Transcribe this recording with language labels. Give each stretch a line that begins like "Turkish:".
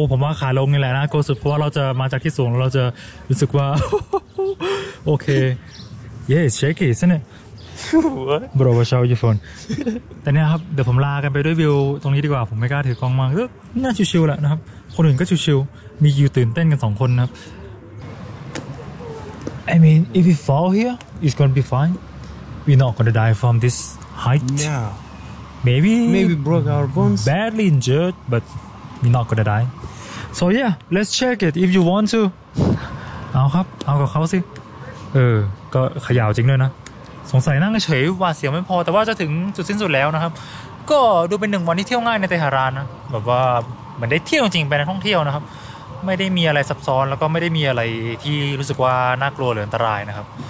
Thai: ผมว่าขาลงนี่แหละนะกลัวสุดเพราะว่าเราจะมาจากที่สูงเราจะรู้สึกว่าโอเค
English: Yeah, it's shaky, isn't it? What? Bro, I'll show you phone.
Thai: แต่เนี่ยครับเดี๋ยวผมลากันไปด้วยวิวตรงนี้ดีกว่าผมไม่กล้าถือกล้องมากน่าชิวๆแหละนะครับคนอื่นก็ชิวๆมีอยู่ตื่นเต้นกัน2คนนะครับ
English: I mean, if we fall hereIt's gonna be fine. We're not gonna die from this height. Yeah. Maybe broke our bones. Badly injured, but we're not gonna die. So yeah, let's check it if you want to.
Thai: เอาครับเอากับเขาสิเออก็ขยาวจริงด้วยนะสงสัยนั่งเฉยว่าเสียงไม่พอแต่ว่าจะถึงจุดสิ้นสุดแล้วนะครับก็ดูเป็นหนึ่งวันที่เที่ยวง่ายในเตหะรานนะแบบว่ามันได้เที่ยวจริงๆไปในท่องเที่ยวนะครับไม่ได้มีอะไรซับซ้อนแล้วก็ไม่ได้มีอะไรที่รู้สึกว่าน่ากลัวหรืออันตรายนะครับ